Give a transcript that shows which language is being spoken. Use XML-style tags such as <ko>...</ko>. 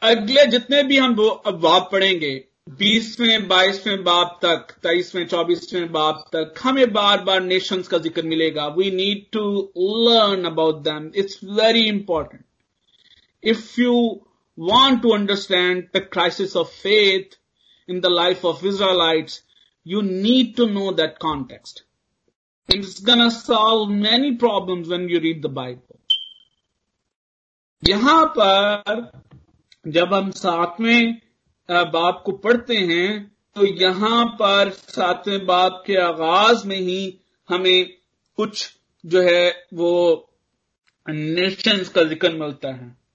<ur>اگلے جتنے بھی ہم ابواب پڑھیں گے, بیسویں بائیسویں باب تک, تیئیسویں چوبیسویں باب تک, ہمیں بار بار نیشنز کا ذکر ملے گا.</ur> <en>We need to learn about them, it's very important. If you want to understand the crisis of faith in the life of Israelites, you need to know that context. It's gonna solve many problems when you read the Bible.</en> <ur>یہاں پر جب ہم ساتویں باب کو پڑھتے ہیں تو یہاں پر ساتویں باب کے آغاز میں ہی ہمیں کچھ جو ہے وہ نیشنز کا ذکر ملتا ہے.</ur>